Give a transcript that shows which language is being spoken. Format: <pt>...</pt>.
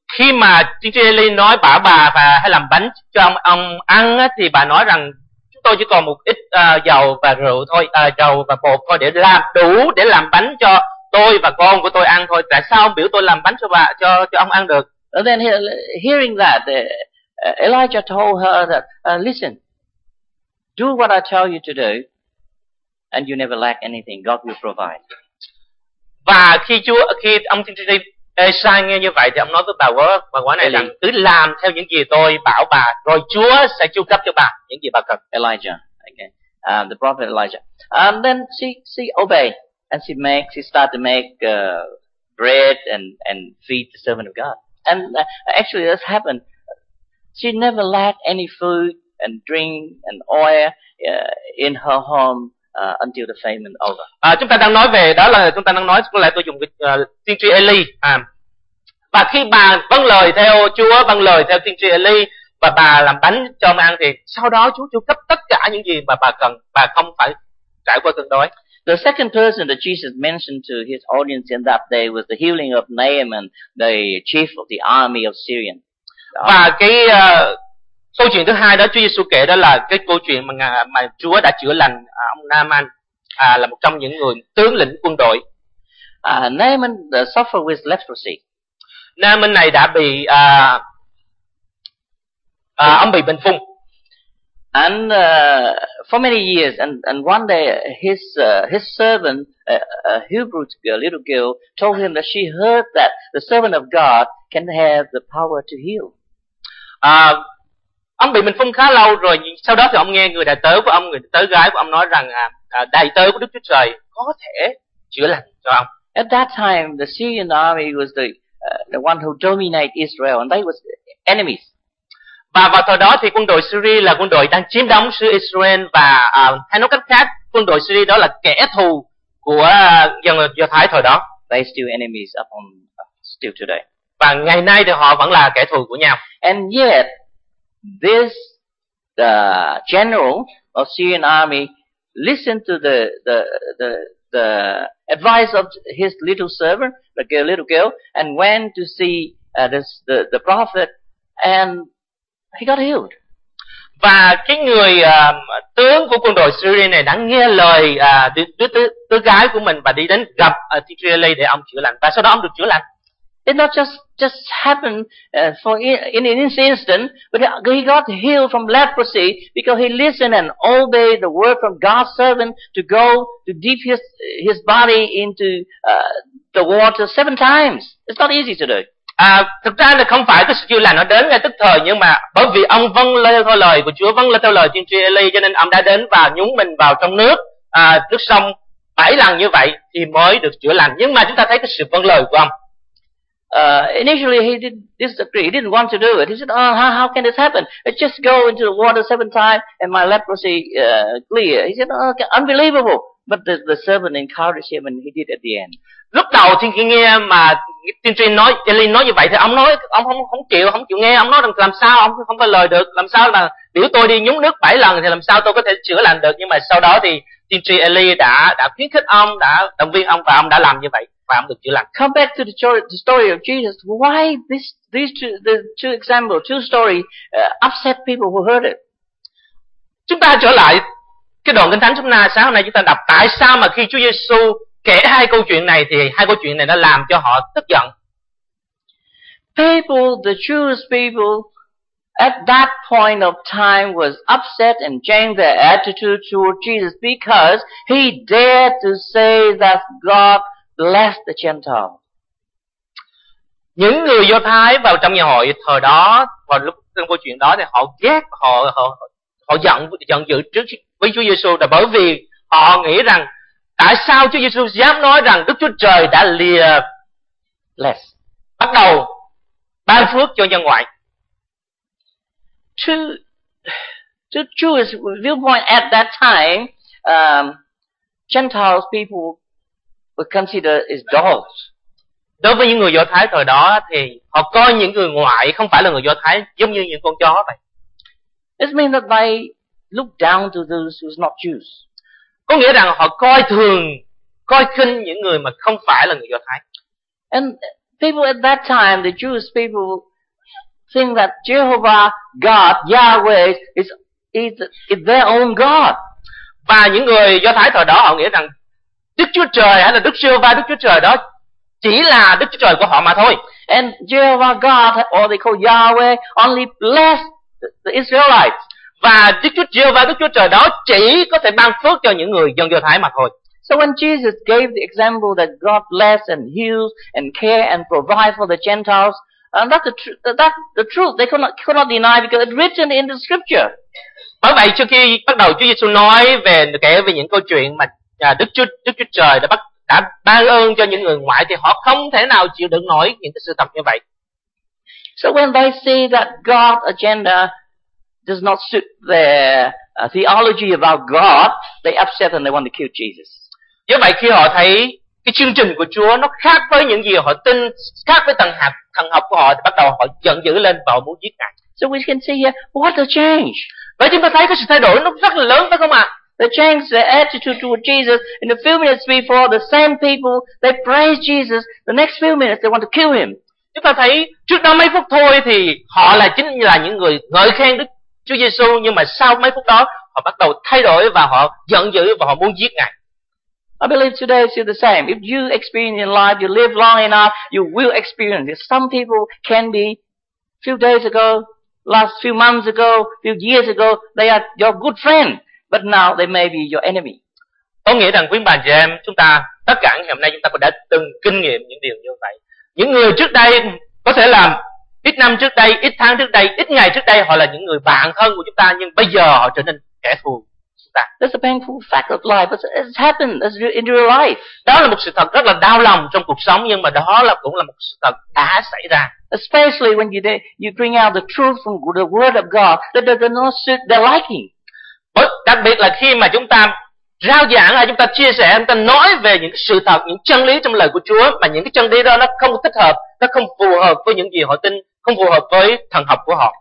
<vi>Khi mà tiên tri Eli nói bảo bà và hãy làm bánh cho ông ăn thì bà nói rằng chúng tôi chỉ còn một ít dầu và rượu thôi, dầu và bột thôi để làm đủ để làm bánh cho tôi và con của tôi ăn thôi. Tại sao ông biểu tôi làm bánh cho bà cho ông ăn được?</vi> <en>And then hearing that, Elijah told her that, "Listen. Do what I tell you to do, and you never lack anything. God will provide."</en> <vi>Và khi ông tiên tri Esai nghe như vậy thì ông nói với bà quả này rằng cứ làm theo những gì tôi bảo bà, rồi Chúa sẽ chu cấp cho bà những gì bà cần.</vi> <en>Elijah, okay, the prophet Elijah. And then she obey and she started to make bread and feed the servant of God. And actually, this happened. She never lacked any food and drink and oil in her home until the famine over.</en> <vi>Chúng ta đang nói về đó là chúng ta đang nói có lẽ tôi dùng cái tiên tri Eli. Và khi bà vâng lời theo Chúa, vâng lời theo tiên tri Eli và bà làm bánh cho ông ăn thì sau đó Chúa chu cấp tất cả những gì mà bà cần, bà không phải trải qua cơn đói.</vi> <en>The second person that Jesus mentioned to his audience in that day was the healing of Naaman, the chief of the army of Syria.</en> <vi>Và cái câu chuyện thứ hai đó Chúa Giêsu kể đó là cái câu chuyện mà Chúa đã chữa lành ông Naaman là một trong những người tướng lĩnh quân đội.</vi> <en>Naaman suffered with leprosy.</en> <vi>Naaman này đã bị ông bị bệnh phung.</vi> <en>And for many years and one day his servant a Hebrew girl, little girl told him that she heard that the servant of God can have the power to heal.</en> <vi>Ông bị bệnh phong khá lâu rồi, sau đó thì ông nghe người đại tớ gái của ông nói rằng đại tớ của Đức Chúa Trời có thể chữa lành cho ông.</vi> <en>At that time, the Syrian army was the one who dominated Israel, and they was enemies.</en> <vi>Và vào thời đó thì quân đội Syria là quân đội đang chiếm đóng xứ Israel và hay nói cách khác, quân đội Syria đó là kẻ thù của dân Do Thái thời đó.</vi> <en>They still enemies upon still today.</en> <vi>Và ngày nay thì họ vẫn là kẻ thù của nhau.</vi> <en>And yet this the general of Syrian army listened to the advice of his little servant, the girl, little girl, and went to see the prophet, and he got healed.</en> <vi>Và cái người tướng của quân đội Syria này đã nghe lời tứ gái của mình và đi đến gặp tiên tri Eli để ông chữa lành, và sau đó ông được chữa lành.</vi> <en>It not just happened in an instant, but he got healed from leprosy because he listened and obeyed the word from God's servant to go to dip his body into the water 7 times. It's not easy to do.</en> <vi>Thực ra là không phải cái sự chữa lành nó đến ngay tức thời, nhưng mà bởi vì ông vâng theo lời của Chúa, vâng theo lời tiên tri Eli, cho nên ông đã đến và nhúng mình vào trong nước nước sông 7 lần như vậy thì mới được chữa lành. Nhưng mà chúng ta thấy cái sự vâng lời của ông.</vi> <en>Initially, he did disagree. He didn't want to do it. He said, "Oh, how can this happen? It just go into the water 7 times and my leprosy clear." He said, "Oh, okay, unbelievable." But the servant encouraged him, and he did at the end.</en> <vi>Lúc đầu thì nghe mà tiên tri nói, Eli nói như vậy thì ông nói, ông không chịu nghe, ông nói rằng làm sao, ông không có lời được, làm sao mà biểu tôi đi nhúng nước 7 lần thì làm sao tôi có thể chữa lành được. Nhưng mà sau đó thì tiên tri Eli đã khuyến khích ông, đã động viên ông và ông đã làm như vậy và ông được chữa lành.</vi> <en>Come back to the story of Jesus. Why these two stories upset people who heard it?</en> <vi>Chúng ta trở lại cái đoạn kinh thánh chúng ta sáng hôm nay chúng ta đọc, tại sao mà khi Chúa Giêsu kể hai câu chuyện này thì hai câu chuyện này đã làm cho họ tức giận?</vi> <en>People, the Jewish people at that point of time was upset and changed their attitude toward Jesus because he dared to say that God blessed the Gentiles.</en> <vi>Những người Do Thái vào trong giáo hội thời đó, vào lúc trong câu chuyện đó thì họ ghét, họ giận dữ trước với Chúa Giêsu là bởi vì họ nghĩ rằng tại sao Chúa Giêsu dám nói rằng Đức Chúa Trời đã lìa</vi> <en>bless</en> <vi>bắt đầu ban phước cho nhân ngoại.</vi> <en>To Jewish viewpoint at that time, Gentiles people were considered as dogs.</en> <vi>Đối với những người Do Thái thời đó thì họ coi những người ngoại không phải là người Do Thái giống như những con chó vậy.</vi> <en>It means that they look down to those who are not Jews.</en> <vi>Có nghĩa rằng họ coi thường, coi khinh những người mà không phải là người Do Thái.</vi> <en>And people at that time, the Jewish people think that Jehovah God, Yahweh is their own God.</en> <vi>Và những người Do Thái thời đó họ nghĩ rằng Đức Chúa Trời hay là Đức Jehovah, Đức Chúa Trời đó chỉ là Đức Chúa Trời của họ mà thôi.</vi> <en>And Jehovah God or they call Yahweh only bless the Israelites.</en> <vi>Và Đức Chúa Jehovah, Đức Chúa Trời đó chỉ có thể ban phước cho những người dân Do Thái mà thôi.</vi> <en>So when Jesus gave the example that God bless and heals and care and provide for the Gentiles, that's the truth. They could not deny because it's written in the scripture.</en> <vi>Bởi vậy, trước khi bắt đầu Chúa Giêsu nói về kể về những câu chuyện mà Đức Chúa Trời đã ban ơn cho những người ngoại thì họ không thể nào chịu đựng nổi những cái sự thật như vậy.</vi> <en>So when they see that God's agenda does not suit their theology about God, they upset and they want to kill Jesus.</en> <vi>Do vậy khi họ thấy cái chương trình của Chúa nó khác với những gì họ tin, khác với thần học của họ thì bắt đầu họ giận dữ lên và họ muốn giết Ngài.</vi> <en>So we can see here what the change.</en> <vi>Vậy chúng ta thấy cái sự thay đổi nó rất là lớn phải không ạ?</vi> <en>They changed their attitude toward Jesus. In a few minutes before, the same people they praise Jesus. The next few minutes they want to kill him.</en> <vi>Chúng ta thấy trước đó mấy phút thôi thì họ là chính là những người ngợi khen Đức Chúa Giêsu, nhưng mà sau mấy phút đó họ bắt đầu thay đổi và họ giận dữ và họ muốn giết Ngài.</vi> <en>I believe today is the same. If you experience in life, you live long enough, you will experience it. Some people can be few days ago, last few months ago, few years ago, they are your good friend, but now they may be your enemy.</en> <vi>Có nghĩa rằng quý bà chị em, chúng ta tất cả ngày hôm nay chúng ta cũng đã từng kinh nghiệm những điều như vậy. Những người trước đây có thể là ít năm trước đây, ít tháng trước đây, ít ngày trước đây họ là những người bạn thân của chúng ta, nhưng bây giờ họ trở nên kẻ thù.</vi> <en>That's a painful fact of life, but it's happened as in real life.</en> <vi>Đó là một sự thật rất là đau lòng trong cuộc sống, nhưng mà đó là cũng là một sự thật đã xảy ra.</vi> <en>Especially when you bring out the truth from the Word of God that does not suit their liking. But</en> <vi>đặc biệt là khi mà chúng ta rao giảng, chúng ta chia sẻ, chúng ta nói về những sự thật, những chân lý trong lời của Chúa, mà những cái chân lý đó nó không thích hợp, nó không phù hợp với những gì họ tin, không phù hợp với thần học của họ.</vi>